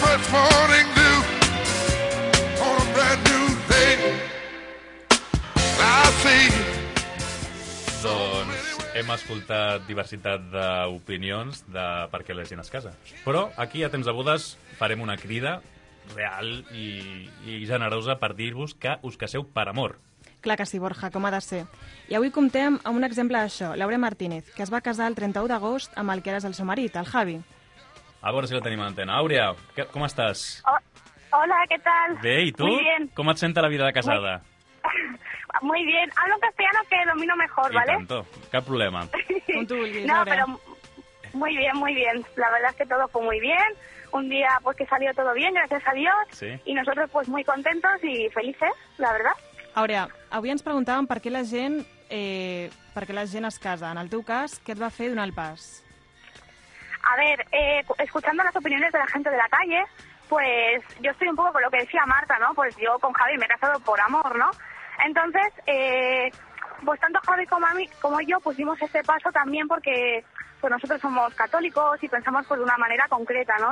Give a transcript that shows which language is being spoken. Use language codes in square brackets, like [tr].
[en] Morning dew on a brand new day. I see [ca] Doncs hem escoltat diversitat d'opinions de per què la gent es casa. Però aquí, a Temps de Bodes, farem una crida real i generosa per dir-vos que us caseu per amor. Clar que sí, Borja, com ha de ser. I avui comptem amb un exemple d'això, Laura Martínez, que es va casar el 31 d'agost amb el que era el seu marit, el Javi. A veure si la tenim a l'antena. Àurea, com estàs? Hola, què tal? Bé, i tu? [es] Muy bien. [ca] Com et senta la vida de casada? [es] Muy bien. Hablo en castellano que domino mejor, y ¿vale? [ca] I tanto. Cap problema. Com tu vulguis, [es] no, Àurea. Pero muy bien, muy bien. La verdad es que todo fue muy bien. Un día pues que salió todo bien, gracias a Dios. Sí. Y nosotros pues muy contentos y felices, la verdad. [ca] Àurea, avui ens preguntàvem per què la gent es casa. En el teu cas, què et va fer donar el pas? [es] A ver, escuchando las opiniones de la gente de la calle, pues yo estoy un poco con lo que decía Marta, ¿no? Pues yo con Javi me he casado por amor, ¿no? Entonces, pues tanto Javi como a mí, como yo, pues dimos ese paso también porque pues nosotros somos católicos y pensamos pues de una manera concreta, ¿no?